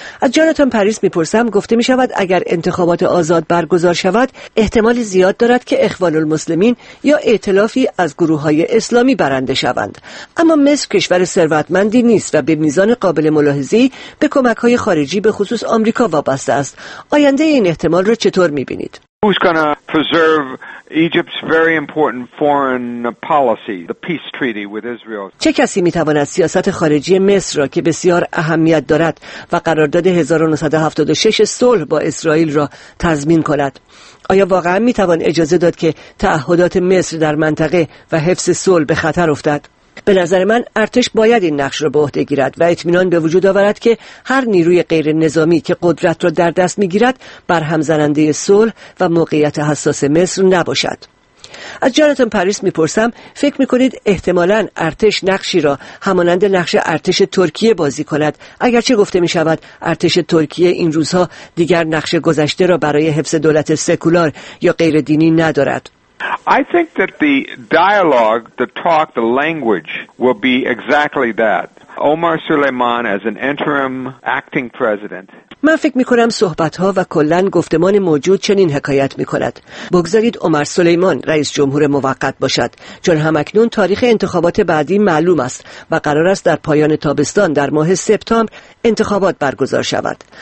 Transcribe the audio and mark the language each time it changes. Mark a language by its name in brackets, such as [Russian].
[Persian] از جاناتان پاریس میپرسم، گفته میشود اگر انتخابات آزاد برگزار شود، احتمال زیاد دارد که اخوان المسلمین یا ائتلافی از گروه‌های اسلامی برنده شوند. اما مصر کشور ثروتمندی نیست و به میزان قابل ملاحظه‌ای به کمک‌های خارجی به خصوص آمریکا وابسته است. آینده این احتمال را چطور می‌بینید؟ [English] Who's going to preserve Egypt's very important foreign policy, the peace treaty with Israel? [Persian] چه کسی میتواند سیاست خارجی مصر را که بسیار اهمیت دارد و قرارداد 1976 صلح با اسرائیل را تضمین کند؟ آیا واقعا میتوان اجازه داد که تعهدات مصر در منطقه و حفظ صلح به خطر افتد؟ به نظر من ارتش باید این نقش را به عهده گیرد و اطمینان به وجود آورد که هر نیروی غیر نظامی که قدرت را در دست می‌گیرد بر همزننده صلح و موقعیت حساس مصر نباشد. از جاناتان پاریس می‌پرسم، فکر می‌کنید احتمالاً ارتش نقشی را همانند نقش ارتش ترکیه بازی کند؟ اگرچه گفته می‌شود ارتش ترکیه این روزها دیگر نقش گذشته را برای حفظ دولت سکولار یا غیر دینی ندارد. [English] I think that the dialogue, the talk, the language will be exactly that. Omar Suleiman as an interim acting president. [Persian] من فکر می‌کنم صحبت‌ها و کلاً گفتمان موجود چنین حکایت می‌کند. بگذارید عمر سلیمان رئیس جمهور موقت باشد، چون هم اکنون تاریخ انتخابات بعدی معلوم است و قرار است در پایان تابستان در ماه سپتامبر انتخابات برگزار شود.